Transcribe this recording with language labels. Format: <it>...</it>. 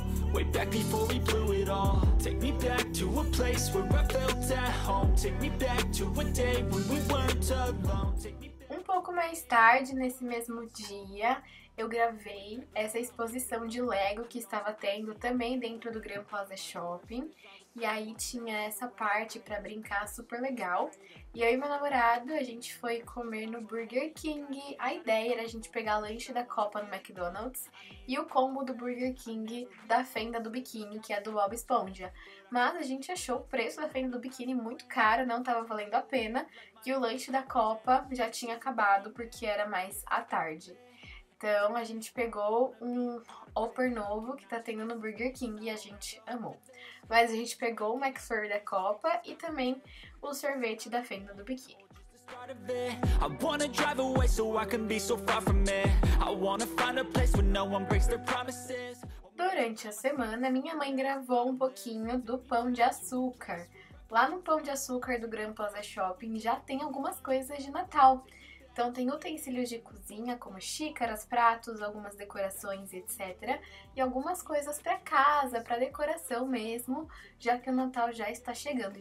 <en>Way back before we blew it all. Take me back to a place where I felt at home. Take me back to a day when we weren't alone.</en> <pt>Um pouco mais tarde, nesse mesmo dia, eu gravei essa exposição de Lego que estava tendo também dentro do Grand Plaza Shopping. E aí tinha essa parte pra brincar super legal. E eu e meu namorado, a gente foi comer no Burger King. A ideia era a gente pegar o lanche da Copa no McDonald's e o combo do Burger King da Fenda do Biquíni, que é do Bob Esponja. Mas a gente achou o preço da Fenda do Biquíni muito caro, não tava valendo a pena. E o lanche da Copa já tinha acabado, porque era mais à tarde. Então a gente pegou um Whopper novo que tá tendo no Burger King e a gente amou. Mas a gente pegou o McFlurry da Copa e também o sorvete da Fenda do Biquíni.</pt> <en>I wanna drive away so I can be so far from it. I wanna find a place where no one breaks their promises.</en> <pt>Durante a semana, minha mãe gravou um pouquinho do pão de açúcar. Lá no pão de açúcar do Grand Plaza Shopping já tem algumas coisas de Natal. Então tem utensílios de cozinha, como xícaras, pratos, algumas decorações, etc. E algumas coisas pra casa, pra decoração mesmo, já que o Natal já está chegando.</pt>